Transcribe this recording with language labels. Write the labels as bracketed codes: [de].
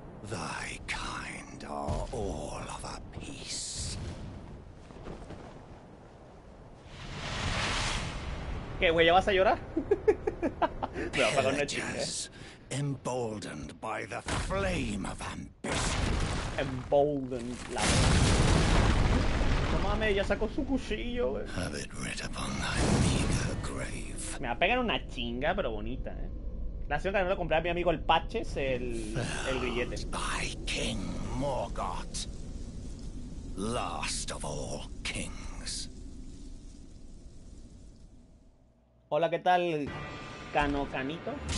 [en] Thy kind are all of a piece. [es] ¿Qué, güey? ¿Ya vas a llorar? [en] Pillagers, emboldened by the flame of ambition. Emboldened, [es] la verdad. No mames, ya sacó su cuchillo, güey. [en] Have it writ upon thy meager grave. [es] Me va a pegar una chinga, pero bonita, eh. La segunda que no lo compré a mi amigo el Paches, el billete. [en] By King Morgoth, last of all kings. [es] Hola, ¿qué tal, Cano Canito?